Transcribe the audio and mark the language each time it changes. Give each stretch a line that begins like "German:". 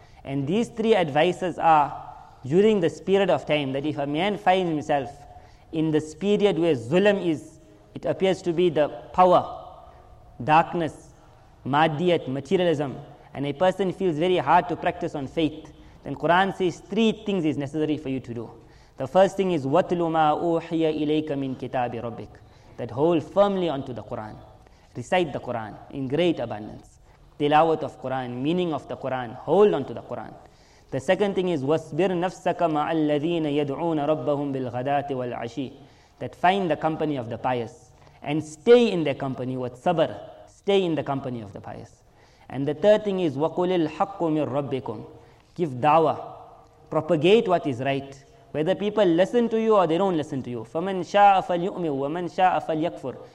English: And these three advices are during this period of time, that if a man finds himself in this period where zulm is, it appears to be the power, darkness, maddiyat, materialism, and a person feels very hard to practice on faith, then Quran says three things is necessary for you to do. The first thing is
Arabic: وَتْلُ مَا أُوحِيَ إِلَيْكَ مِنْ كِتَابِ رَبِّكَ.
English: That hold firmly onto the Quran. Recite the Quran in great abundance. Tilawat of Quran, meaning of the Quran, hold onto the Quran. The second thing is
Arabic: وَاسْبِرْ نَفْسَكَ مَعَ الَّذِينَ يَدْعُونَ رَبَّهُمْ بِالْغَدَاتِ وَالْعَشِي.
English: That find the company of the pious and stay in their company with sabr. Stay in the company of the pious. And the third thing is
Arabic: وَقُلِ الْحَقُّ مِنْ رَبِّكُمْ.
English: Give da'wah, propagate what is right. Whether people listen to you or they don't listen to you.
Arabic: فَمَنْ شَاءَ فَلْيُؤْمِنْ وَمَنْ شَاءَ فَلْيَكْفُرْ.